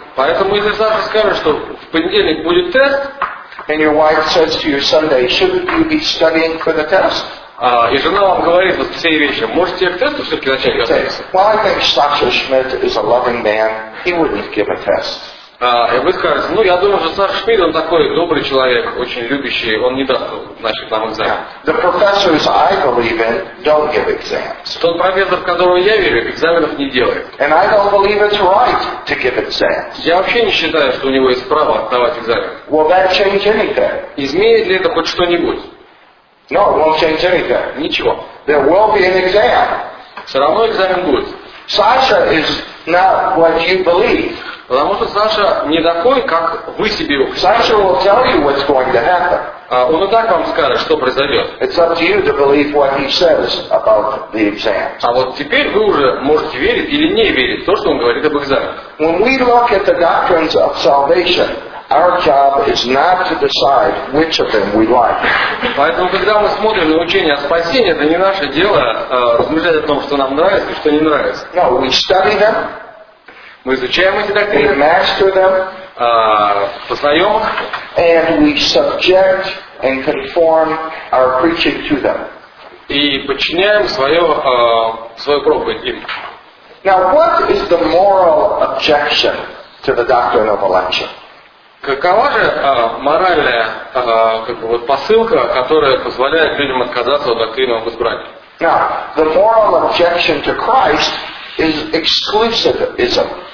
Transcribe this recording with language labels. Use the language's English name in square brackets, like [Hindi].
[Russian] поэтому если Саша скажет, что в понедельник будет тест, [English] and your wife says to you Sunday, shouldn't you be studying for the test? [Russian] И жена вам говорит в воскресенье вечером, может тебе к тесту все-таки начать готовиться? [English] Well, I think Sasha Smith is a loving man. He wouldn't give a test. [Russian] И вы скажете, ну я думаю, что Саша Шмидт, он такой добрый человек, очень любящий, он не даст, значит, нам экзамен. [English] The professors I believe in don't give exams. [Russian] Тот профессор, в которого я верю, экзаменов не делает. [English] And I don't believe it's right to give exams. [Russian] Я вообще не считаю, что у него есть право отдавать экзамен. [English] Will that change anything? [Russian] Изменит ли это хоть что-нибудь? [English] No, it won't change anything. [Russian] Ничего. [English] There will be an exam. [Russian] Все равно экзамен будет. [English] Sasha is not what you believe. [Russian] Потому что Саша не такой, как вы себе его представляете. [English] Саша will tell you what's going to happen. [Russian] Он и так вам скажет, что произойдет. [English] It's up to you to believe what he says about the exam. [Russian] А вот теперь вы уже можете верить или не верить в то, что он говорит об экзаменах. [English] When we look at the doctrines of salvation, our job is not to decide which of them we like. [Russian] Поэтому, когда мы смотрим на учение о спасении, это не наше дело размышлять о том, что нам нравится и что не нравится. [English] No, we study them. [Russian] Мы изучаем эти доктрины. [English] We master them. [Russian] Познаем. [English] And we subject and conform our preaching to them. [Russian] И подчиняем свою проповедь им. [English] Now, what is the moral objection to the doctrine of election? [Russian] Какова же моральная посылка, которая позволяет людям отказаться от доктрины об избрании? [English] Now, the moral objection to Christ is exclusivism.